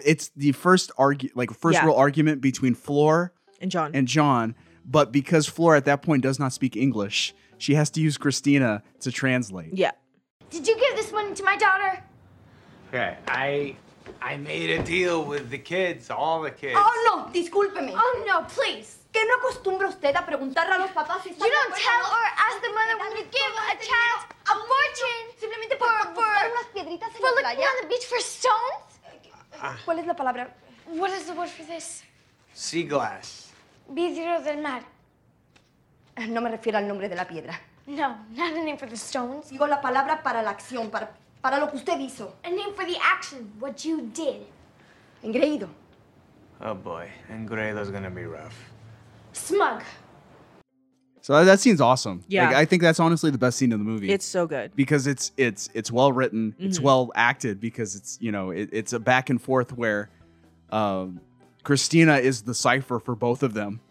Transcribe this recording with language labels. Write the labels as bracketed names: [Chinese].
[English] It's the first real argument between Floor and John. But because Floor at that point does not speak English, she has to use Christina to translate. Yeah. Did you give this one to my daughter? Okay, I made a deal with the kids, all the kids. Oh [Spanish] no, discúlpeme. [English] Oh no, please. [Spanish] ¿Que no acostumbra usted a preguntar a los papás si [English] you don't tell or ask the mother when you give a child for looking on the beach for stones? [Spanish] ¿Cuál es la palabra? [English] What is the word for this? Sea glass. [Spanish] Vidrio del mar. No me refiero al nombre de la piedra. [English] No, not a name for the stones. [Spanish] Digo la palabra para la acción, para lo que usted hizo. [English] A name for the action, what you did. [Spanish] Engreído. [English] Oh boy, engreído is gonna be rough. Smug. So that scene's awesome. Yeah. Like, I think that's honestly the best scene in the movie. It's so good. Because it's well written. Mm-hmm. It's well acted because it's, you know, it's a back and forth where Christina is the cipher for both of them.